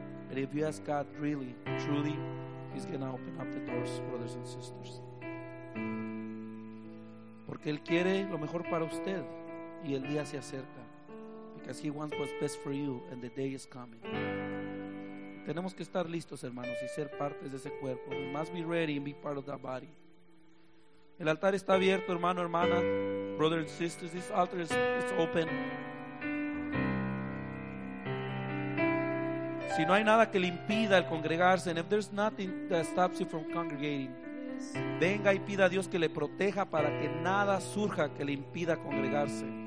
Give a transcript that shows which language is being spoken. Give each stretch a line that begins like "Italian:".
English: And if you ask God really, truly, He's going to open up the doors, brothers and sisters.
Spanish: Porque Él quiere lo mejor para usted y el día se acerca.
English: Because He wants what's best for you and the day is coming.
Spanish: Tenemos que estar listos, hermanos, y ser partes de ese cuerpo.
English: We must be ready and be part of that body.
Spanish: El altar está abierto, hermano, hermana,
English: brothers and sisters. This altar is open.
Spanish: Si no hay nada que le impida el congregarse,
English: and if there's nothing that stops you from congregating,
Spanish: venga y pida a Dios que le proteja para que nada surja que le impida congregarse.